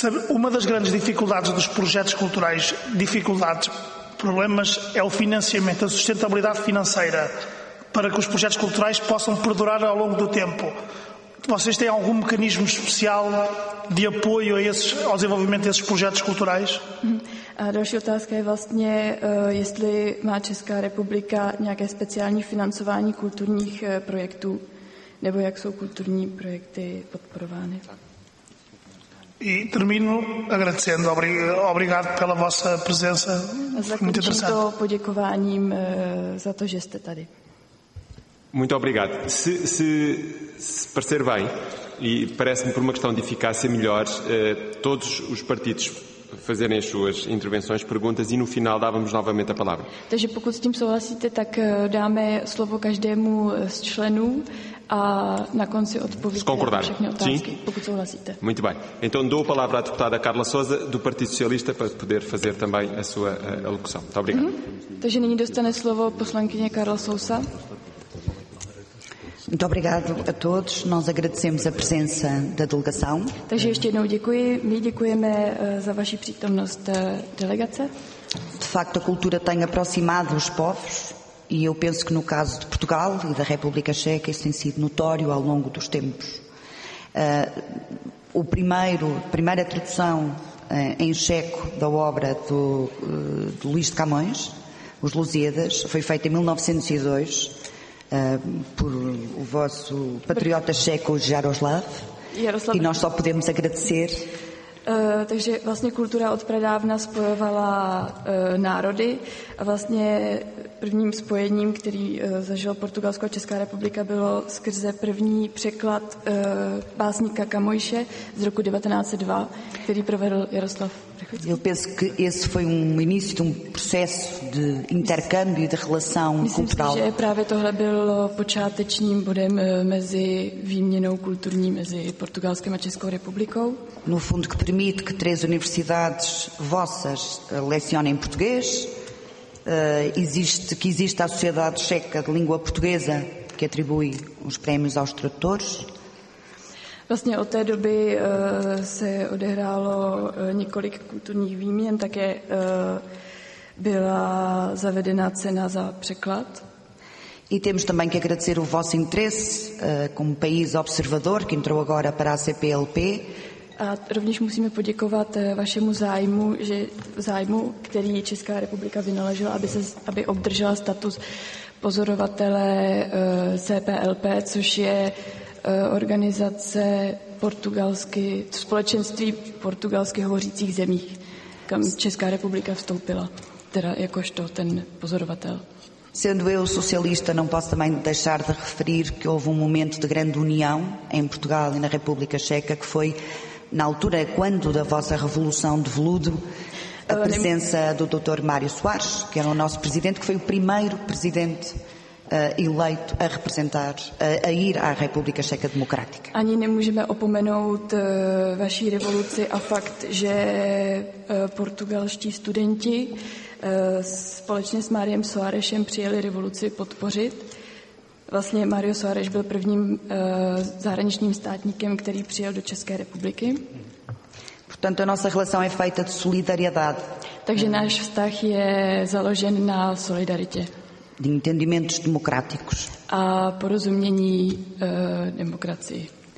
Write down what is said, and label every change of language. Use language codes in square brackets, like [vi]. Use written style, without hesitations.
[pt] Uma das grandes dificuldades dos projetos culturais, dificuldades, problemas, é o financiamento, a sustentabilidade financeira, para que os projetos culturais possam perdurar ao longo do tempo. Vocês têm algum mecanismo especial de apoio ao desenvolvimento desses projetos culturais? [cs] A další otázka je vlastně, jestli má Česká republika nějaké speciální financování kulturních projektů, nebo jak jsou kulturní projekty podporovány. [pt] E termino agradecendo. Obrigado pela vossa presença. Muito interessante. [cs] Poděkováním za to, že jste tady. [pt] Muito obrigado. Se parecer bem, e parece-me por uma questão de eficácia melhor, todos os partidos fazerem as suas intervenções, perguntas e no final dávamos novamente a palavra. [cs] Takže pokud s tím souhlasíte, tak dáme slovo každému z členů a na konci odpovíte na všechny otázky, [pt] sim, [cs] pokud souhlasíte. [pt] Muito bem. Então dou a palavra à deputada Carla Sousa do Partido Socialista para poder fazer também a sua alocução. Muito obrigado. [cs] Takže nyní dostane slovo poslankyně Carla Sousa. [pt] Muito obrigado a todos. Nós agradecemos a presença da delegação. [cs] Takže ještě jednou děkuji. My děkujeme za vaši přítomnost delegace. [pt] De facto, a cultura tem aproximado os povos e eu penso que no caso de Portugal e da República Checa isso tem sido notório ao longo dos tempos. A primeira tradução em checo da obra do Luís de Camões, Os Lusíadas, foi feita em 1902. Por o vosso patriota checo Jaroslav. E nós só podemos agradecer. [cs] Takže vlastně kultura od pradávna spojovala národy a vlastně prvním spojením, který zažilo Portugalsko a Česká republika, bylo skrze první překlad básníka Camões'e z roku 1902, který provedl Jaroslav Prychodský. [pt] Eu penso que esse foi início de processo de intercâmbio, de relação cultural. [cs] Myslím si, že právě tohle bylo počátečním bodem mezi výměnou kulturní mezi Portugalskem a Českou republikou. [pt] No fundo, que permite que três universidades vossas lecionem português, existe a Sociedade Checa de Língua Portuguesa, que atribui os prémios aos tradutores. [cs] Vlastně od té doby se odehrálo několik kulturních výměn, také byla zavedena cena za překlad. [pt] E temos também que agradecer o vosso interesse como país observador, que entrou agora para a CPLP. [cs] A rovněž musíme poděkovat vašemu zájmu, který Česká republika vynaložila, aby obdržela status pozorovatele CPLP, což je organizace společenství portugalsky hovořících zemích, kam Česká republika vstoupila, teda jakožto ten pozorovatel. [pt] Sendo eu socialista, não posso também deixar de referir que houve um momento de grande união em Portugal e na República Checa, que foi na altura, quando da vossa Revolução de Veludo, a presença do Dr. Mário Soares, que era o nosso presidente, que foi o primeiro presidente eleito a representar, a ir à República Checa Democrática. [cs] Ani nemůžeme opomenout vaší revoluci a fakt, že portugalští studenti společně s Máriem Soaresem přijeli revoluci podpořit. Vlastně Mário Soares byl prvním zahraničním státníkem, který přijel do České republiky. [pt] Portanto, a nossa relação é feita de solidariedade. [cs] Takže náš vztah je založen na solidaritě. [pt] De entendimentos democráticos. [cs] A porozumění demokracii.